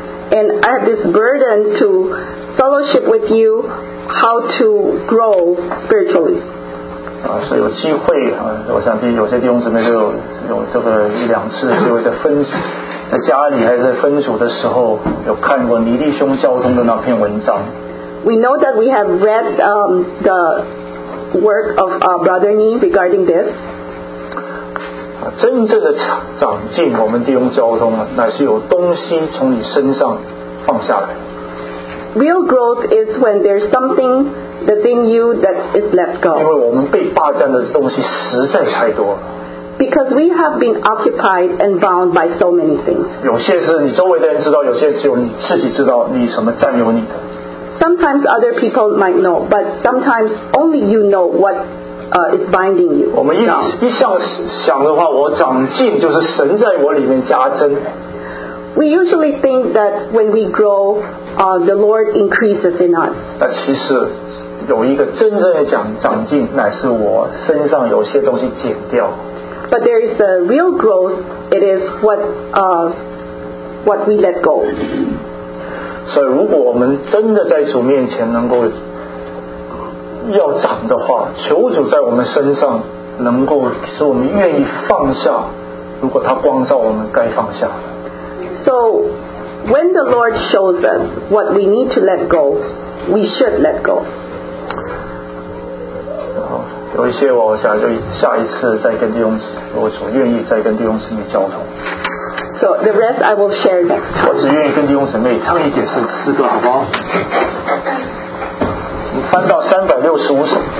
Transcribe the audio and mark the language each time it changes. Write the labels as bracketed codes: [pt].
[en] And I have this burden to fellowship with you how to grow spiritually. [zh] 所以有机会我想有些弟兄姊妹都有这个一两次的机会，在家里还是在分组的时候有看过倪弟兄交通的那篇文章。 [en] We know that we have read the work of Brother Ni regarding this. [zh] 真正的长进，我们弟兄交通乃是有东西从你身上放下来。 [en] Real growth is when there's something within you that is let go. [zh] 因为我们被霸占的东西实在太多。 [en] Because we have been occupied and bound by so many things. [zh] 有些是你周围的人知道，有些只有你自己知道你什么占有你的。 [en] Sometimes other people might know, but sometimes only you know what is binding you. [zh] 我们一向想的话，我长进就是神在我里面加增。 [en] We usually think that when we grow, the Lord increases in us. [zh] 但其实有一个真正的长进，乃是我身上有些东西减掉。 [en] But there is the real growth. It is what we let go. [zh] 所以如果我们真的在主面前能够要长的话，求主在我们身上能够使我们愿意放下，如果他光照我们该放下。 [en] So when the Lord shows us what we need to let go, we should let go. [zh] 有一些我想就下一次再跟弟兄，我所愿意再跟弟兄姊妹交通。 [en] So the rest I will share next time. [zh] 我只愿意跟弟兄姊妹唱一节诗歌，好不好？翻到365首。